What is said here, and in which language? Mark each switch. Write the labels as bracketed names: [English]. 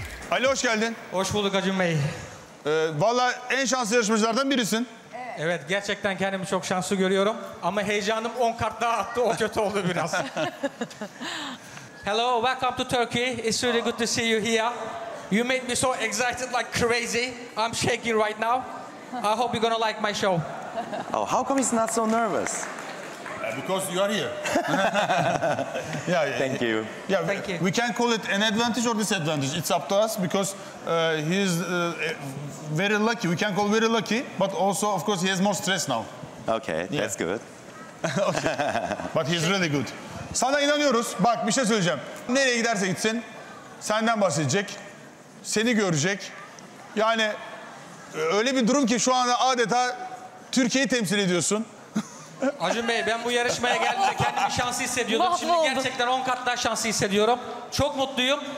[Turkish] Ali hoş geldin. Hoş bulduk Acun Bey. Vallahi en şanslı yarışmacılardan birisin. Evet, gerçekten kendimi çok şanslı görüyorum. Ama heyecanım 10 kart daha attı, o kötü oldu biraz. [English] Hello, welcome to Turkey. It's really good to see you here. You made me so excited like crazy. I'm shaking right now. I hope you're gonna like my show. Oh, how come he's not so nervous? Because you are here. Yeah, thank you. Yeah, thank you. We can call it an advantage or disadvantage. It's up to us because he's very lucky. We can call very lucky, but also, of course, he has more stress now. Okay, yeah. That's good. Okay. But he's really good. [Turkish] Sana inanıyoruz. Bak bir şey söyleyeceğim. Nereye giderse gitsin senden bahsedecek. Seni görecek. Yani öyle bir durum ki şu anda adeta Türkiye'yi temsil ediyorsun. Acun Bey, ben bu yarışmaya geldiğimde kendimi şanslı hissediyordum. Şimdi gerçekten 10 kat daha şanslı hissediyorum. Çok mutluyum.